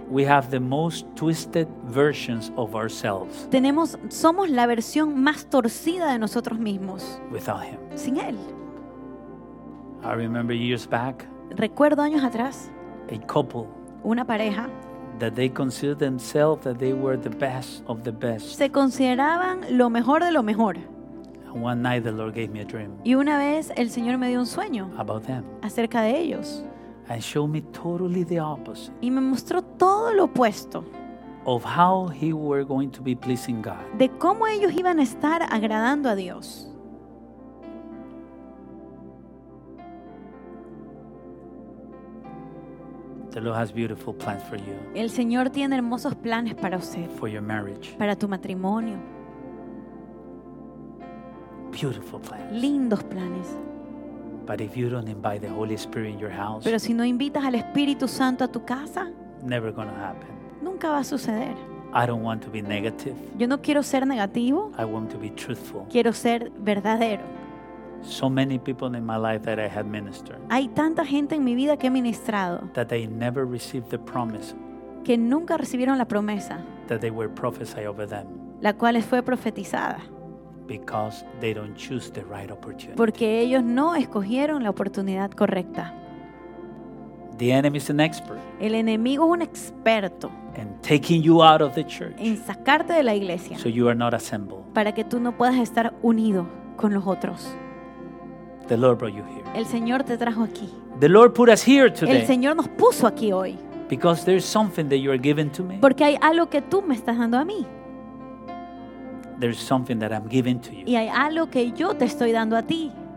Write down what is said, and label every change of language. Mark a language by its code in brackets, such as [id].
[en] We have the most twisted versions of ourselves. [es] Somos la versión más torcida de nosotros mismos. [en] Without him. [es] Sin él. [en] I remember years back. [es] Recuerdo años atrás. [en] A couple. [es] Una pareja. [en] That they considered themselves that they were the best of the best. [es] Se consideraban lo mejor de lo mejor. [en] And one night the Lord gave me a dream. [es] Y una vez el Señor me dio un sueño. [en] About them. [es] Acerca de ellos. [en] And showed me totally the opposite. [es] Y me mostró todo lo opuesto. [en] Of how he were going to be pleasing God. [es] De cómo ellos iban a estar agradando a Dios. [en] The Lord has beautiful plans for you. [es] El Señor tiene hermosos planes para usted. [en] For your marriage. [es] Para tu matrimonio. [en] Beautiful plans. [es] Lindos planes. [en] But if you don't invite the Holy Spirit in your house, [es] pero si no invitas al Espíritu Santo a tu casa, [en] never gonna happen. [es] Nunca va a suceder. [en] I don't want to be negative. [es] Yo no quiero ser negativo. [en] I want to be truthful. [es] Quiero ser verdadero. [en] So many people in my life that I had ministered. [es] Hay tanta gente en mi vida que he ministrado. [en] That they never received the promise [es] que nunca recibieron la promesa, [en] that they were prophesied over them, [es] la cual les fue profetizada, [en] because they don't choose the right opportunity, [es] porque ellos no escogieron la oportunidad correcta. [en] The enemy is an expert. [es] El enemigo es un experto. [en] In taking you out of the church. [es] En sacarte de la iglesia. [en] So you are not assembled. [es] Para que tú no puedas estar unido con los otros. [en] The Lord brought you here. [es] El Señor te trajo aquí. [en] The Lord put us here today. [es] El Señor nos puso aquí hoy. [en] Because there's something that you are giving to me. [es] Porque hay algo que tú me estás dando a mí. [en] There's something that I'm giving to you. [es] Y hay algo que yo te estoy dando a ti.